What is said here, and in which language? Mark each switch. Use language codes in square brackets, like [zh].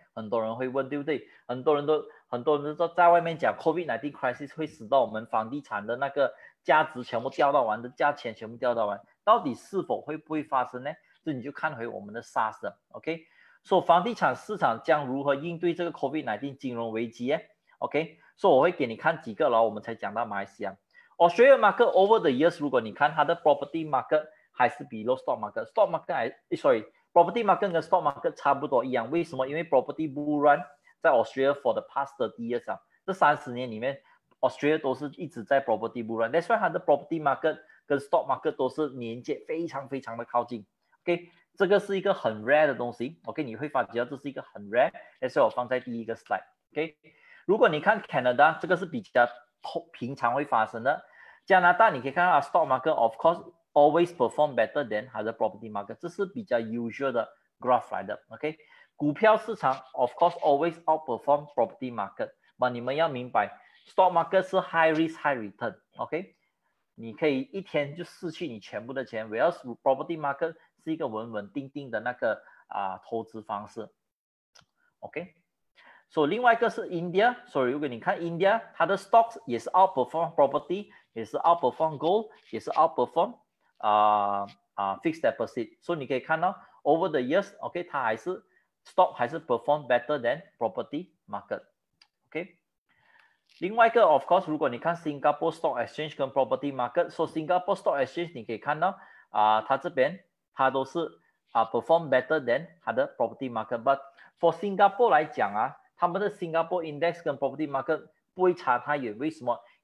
[zh] 很多人会问，对不对？很多人都在外面讲 COVID-19 crisis 会使到我们房地产的那个价值全部掉到完的价钱全部掉到完，到底是否会不会发生呢？这你就看回我们的 SARS 了 ，OK？ 所、so, 以房地产市场将如何应对这个 COVID-19 金融危机 ？OK？所、so, 以我会给你看几个，然后我们才讲到马来西亚。 [en] Australia market over the years， [zh] 如果你看它的 [en] property market [zh] 还是 [en] below stock market，stock market 还 sorry property market 跟 stock market [zh] 差不多一样，为什么？因为 [en] property bull run。 [zh] 在 [en] Australia for the past 30 years [zh] 啊，这30年里面 [en] ，Australia [zh] 都是一直在 [en] property bull run。 That's why [zh] 它的 property market 跟 stock market 都是连接非常非常的靠近。 OK， 这个是一个很 rare 的东西。OK， 你会发觉到这是一个很 rare。 [en] That's why [zh] 我放在第一个 slide。OK， 如果你看 Canada， 这个是比较平常会发生的。加拿大你可以看到 [en] stock market of course always perform better than [zh] 它的 [en] property market， [zh] 这是比较 [en] usual 的 graph [zh] 来的。 [en] OK。 [zh] 股票市场 [en] of course always outperform property market， [zh] 那你们要明白 stock market 是 [en] high risk high return， [zh] OK， 你可以一天就失去你全部的钱， [en] whereas property market [zh] 是一个稳稳定定的那个投资方式， [en] OK， so [zh] 另外一个是 [en] India， [zh] 所以如果你看 [en] India 它的 stocks 也是 outperform property， 也是 outperform gold， 也是 outperform fixed deposit， [zh] 所以你可以看到 [en] over the years OK [zh] 它还是 [en] stock 还是 perform better than property market， OK。 [zh] 另外一个 [en] of course， [zh] 如果你看 [en] Singapore stock exchange [zh] 跟 property market， [en] so Singapore stock exchange [zh] 你可以看到它这边它都是 [en] are perform better than other property market. But for Singapore [zh] 来讲啊, 他们的 [en] Singapore index [zh] 跟 property market 不会差太远, 为什么?